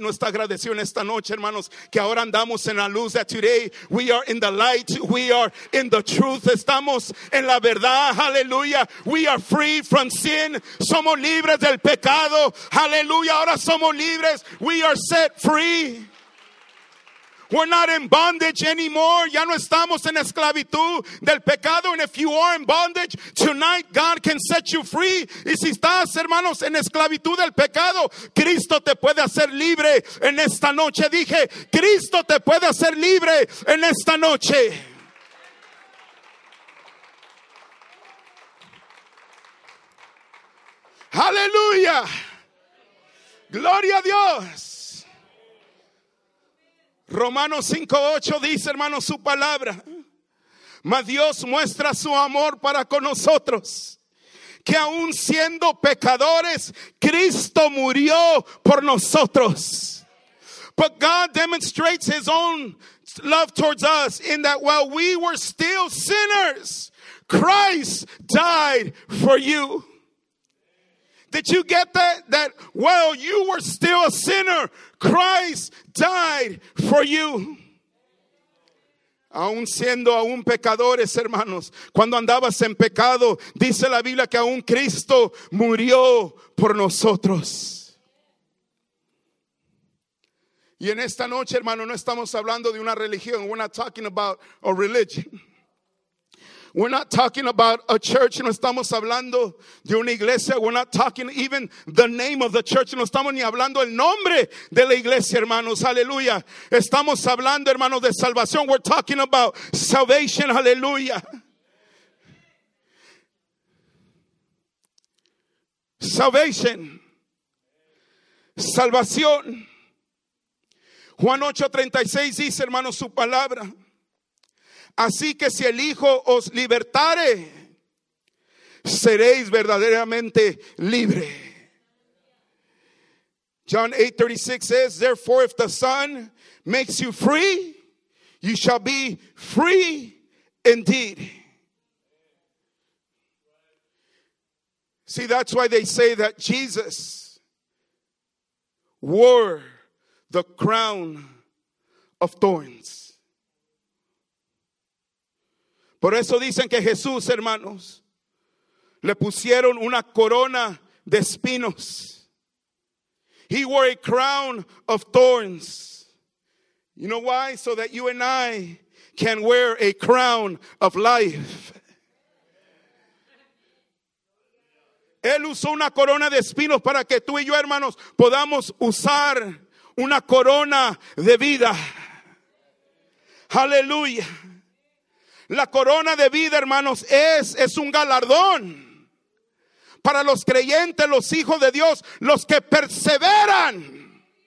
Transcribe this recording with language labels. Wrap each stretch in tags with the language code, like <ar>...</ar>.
<es>¿No está agradecido en esta noche, hermanos, que ahora andamos en la luz?</es> <en>That today we are in the light, we are in the truth.</en> <es>Estamos en la verdad.</es> <en>Hallelujah. We are free from sin.</en> <es>Somos libres del pecado. Hallelujah. Ahora somos libres.</es> <en>We are set free. We're not in bondage anymore.</en> <es>Ya no estamos en esclavitud del pecado.</es> <en>And if you are in bondage tonight, God can set you free.</en> <es>Y si estás, hermanos, en esclavitud del pecado, Cristo te puede hacer libre en esta noche. Dije, Cristo te puede hacer libre en esta noche. Aleluya. Gloria a Dios. Romanos 5:8 dice, hermanos, su palabra. Mas Dios muestra su amor para con nosotros, que aún siendo pecadores, Cristo murió por nosotros.</es> <en>But God demonstrates his own love towards us in that while we were still sinners, Christ died for you. Did you get that? That while you were still a sinner, Christ died for you.</en> <es>Aún siendo aún pecadores, hermanos, cuando andabas en pecado, dice la Biblia que aún Cristo murió por nosotros. Y en esta noche, hermano, no estamos hablando de una religión.</es> <en>We're not talking about a religion. We're not talking about a church.</en> <es>No estamos hablando de una iglesia.</es> <en>We're not talking even the name of the church.</en> <es>No estamos ni hablando el nombre de la iglesia, hermanos. Aleluya. Estamos hablando, hermanos, de salvación.</es> <en>We're talking about salvation.</en> <es>Aleluya.</es> <en>Salvation.</en> <es>Salvación. Juan 8:36 dice, hermanos, su palabra. Así que si el Hijo os libertare, seréis verdaderamente libre.</es> <en>John 8:36 says, therefore if the Son makes you free, you shall be free indeed. See, that's why they say that Jesus wore the crown of thorns.</en> <es>Por eso dicen que Jesús, hermanos, le pusieron una corona de espinos.</es> <en>He wore a crown of thorns. You know why? So that you and I can wear a crown of life.</en> <es>Él usó una corona de espinos para que tú y yo, hermanos, podamos usar una corona de vida. Aleluya. La corona de vida, hermanos, es un galardón para los creyentes, los hijos de Dios, los que perseveran</es>